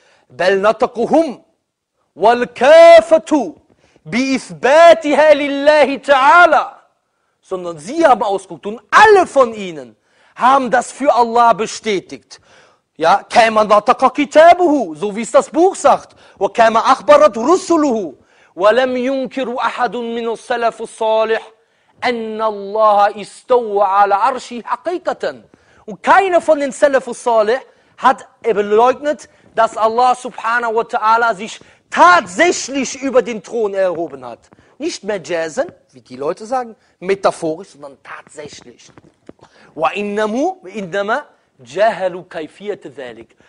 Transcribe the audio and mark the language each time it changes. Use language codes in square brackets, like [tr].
[de] Sondern sie haben ausgeguckt und alle von ihnen haben das für Allah bestätigt. [ar] Ja, كما نطق كتابه, [de] so wie es das Buch sagt, [ar] وكما أخبرت رسله, ولم ينكر أحد من السلف الصالح أن الله استوى على عرشه حقيقة. [de] Und keiner von den Salaf al-Salih hat beleugnet, dass Allah subhanahu wa ta'ala sich tatsächlich über den Thron erhoben hat. Nicht mehr jazen, wie die Leute sagen, metaphorisch, sondern tatsächlich. [ar] وإنما جَهَلُوا كَيْفِيَةِ ذَلِكَ.